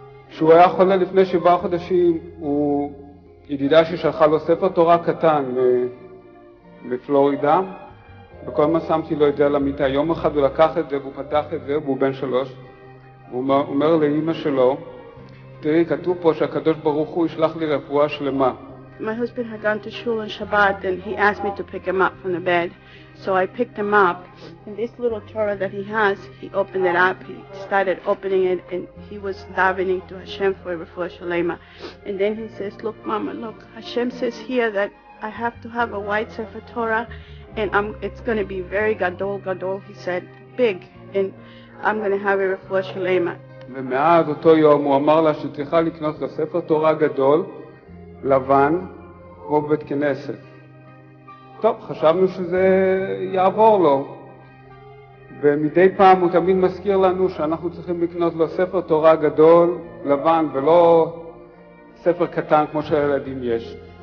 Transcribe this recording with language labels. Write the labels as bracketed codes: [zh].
[he] כשהוא היה חולה לפני 7 חודשים, הוא ידידה ששלחה לו ספר תורה קטן מפלורידה, וכל מה שמתי לו את זה על המיטה. יום אחד הוא לקח את זה והוא פתח את זה, והוא בן 3, והוא אומר לאמא שלו, תראי, כתוב פה שהקדוש ברוך הוא ישלח לי רפואה שלמה. [en] My husband had gone to shul on Shabbat, and he asked me to pick him up from the bed. So I picked him up, and this little Torah that he has, he opened it up, he started opening it, and he was davening to Hashem for refuah shleima. And then he says, look, Mama, look, Hashem says here that I have to have a white sefer Torah, and it's going to be very gadol, gadol, he said, big, and I'm going to have a refuah shleima. [he] ומאז אותו יום הוא אמר לה שצריכה לקנות לו ספר תורה גדול, לבן, כמו בבית כנסת. טוב, חשבנו שזה יעבור לו. ומדי פעם הוא תמיד מזכיר לנו שאנחנו צריכים לקנות לו ספר תורה גדול, לבן, ולא ספר קטן כמו שלילדים יש.